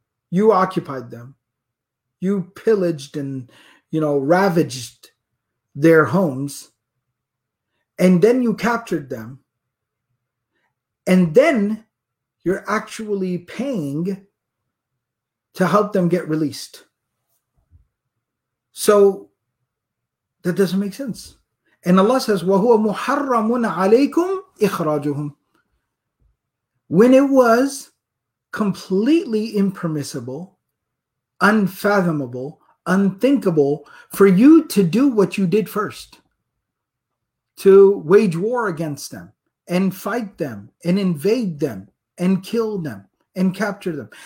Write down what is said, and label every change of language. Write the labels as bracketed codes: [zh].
[en] You occupied them. You pillaged and, you know, ravaged their homes. And then you captured them. And then you're actually paying to help them get released. So that doesn't make sense. And Allah says, [ar] وَهُوَ مُحَرَّمٌ عَلَيْكُمْ إِخْرَاجُهُمْ. [en] When it was completely impermissible, unfathomable, unthinkable for you to do what you did first, to wage war against them and fight them and invade them and kill them and capture them.